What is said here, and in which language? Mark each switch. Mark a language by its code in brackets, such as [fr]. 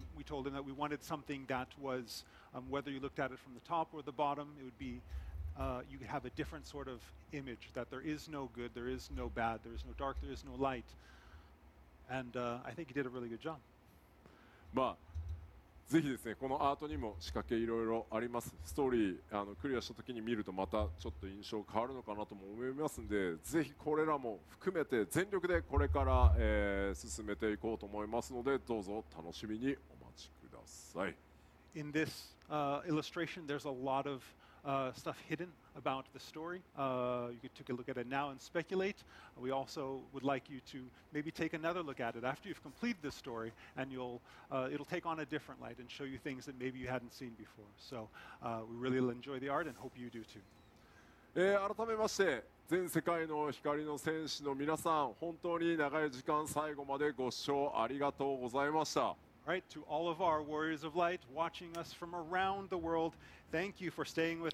[en] We told him that we wanted something that was, whether you looked at it from the top or the bottom, it would be you have a different sort of image, that there is no good, there is no bad, there is no dark, there is no light. And I think he did a really good job. But [ja] ぜひですね、このアートにも仕掛けいろいろあります。ストーリークリアした時に見るとまたちょっと印象変わるのかなとも思いますので、ぜひこれらも含めて全力でこれから、進めていこうと思いますので、どうぞ楽しみにお待ちください。 [en] In this illustration, there's a lot of stuff hidden about the story. You could take a look at it now and speculate. We also would like you to maybe take another look at it after you've completed the story, and you'll it'll take on a different light and show you things that maybe you hadn't seen before. So we really enjoy the art and hope you do too. [ja] 改めまして、全世界の光の戦士の皆さん、本当に長い時間最後までご視聴ありがとうございました。 [en] Right, to all of our warriors of light watching us from around the world, thank you for staying with